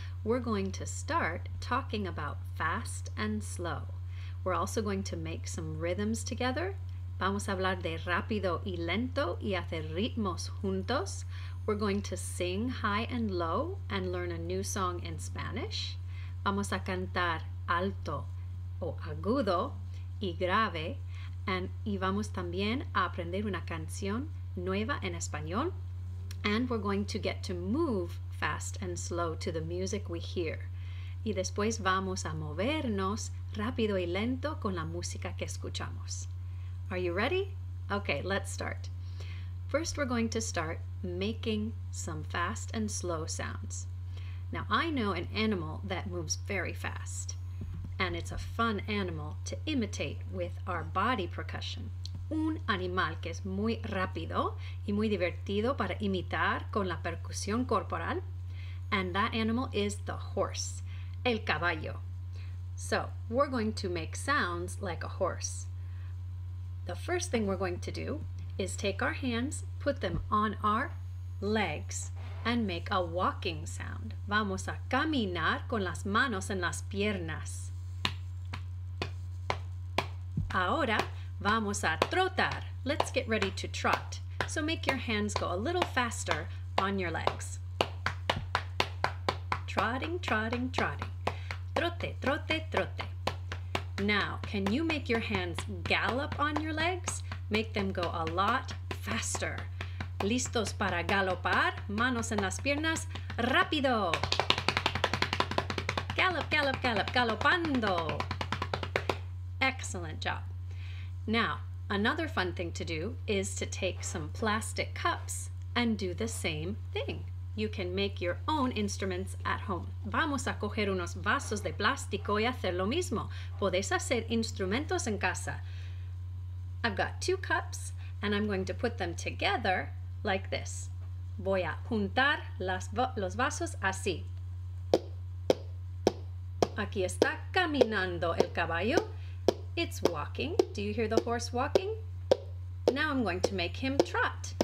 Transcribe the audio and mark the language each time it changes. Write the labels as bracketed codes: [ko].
[en] We're going to start talking about fast and slow. We're also going to make some rhythms together. [es] Vamos a hablar de rápido y lento y hacer ritmos juntos. [en] We're going to sing high and low and learn a new song in Spanish. [es] Vamos a cantar alto o agudo y grave. Y vamos también a aprender una canción nueva en español. [en] And we're going to get to move fast and slow to the music we hear. [es] Y después vamos a movernos rápido y lento con la música que escuchamos. [en] Are you ready? Okay, let's start. First, we're going to start making some fast and slow sounds. Now, I know an animal that moves very fast. And it's a fun animal to imitate with our body percussion. [es] Un animal que es muy rápido y muy divertido para imitar con la percusión corporal. [en] And that animal is the horse, [es] el caballo. [en] So, we're going to make sounds like a horse. The first thing we're going to do is take our hands, put them on our legs, and make a walking sound. [es] Vamos a caminar con las manos en las piernas. [en] Ahora vamos a trotar. Let's get ready to trot. So make your hands go a little faster on your legs. Trotting, trotting, trotting. Trote, trote, trote. Now, can you make your hands gallop on your legs? Make them go a lot faster. [es] Listos para galopar, manos en las piernas, rápido. [en] Gallop, gallop, gallop, galopando. Excellent job. Now, another fun thing to do is to take some plastic cups and do the same thing. You can make your own instruments at home. [es] Vamos a coger unos vasos de plástico y hacer lo mismo. Podéis hacer instrumentos en casa. [en] I've got two cups and I'm going to put them together like this. [es] Voy a juntar los vasos así. Aquí está caminando el caballo. [en] It's walking. Do you hear the horse walking? Now I'm going to make him trot.